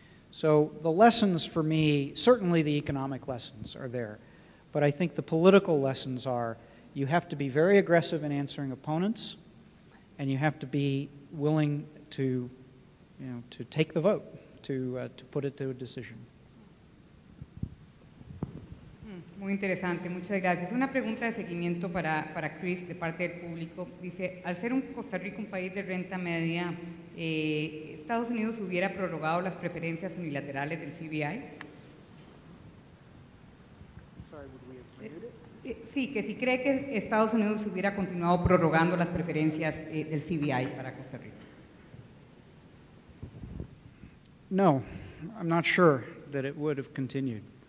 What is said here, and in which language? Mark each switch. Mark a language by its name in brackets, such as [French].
[English] So the lessons for me, certainly the economic lessons are there, but I think the political lessons are you have to be very aggressive in answering opponents, and you have to be willing to, you know, to take the vote, to put it to a decision. [Spanish] Muy interesante, muchas gracias. Una pregunta de seguimiento para Chris de parte del público. Dice, al ser un Costa Rica un país de renta media, ¿Estados Unidos hubiera prorrogado las preferencias unilaterales del CBI? Sí, que si cree que Estados Unidos hubiera continuado prorrogando las preferencias del CBI para Costa Rica. [English] No, I'm not sure that it would have continued.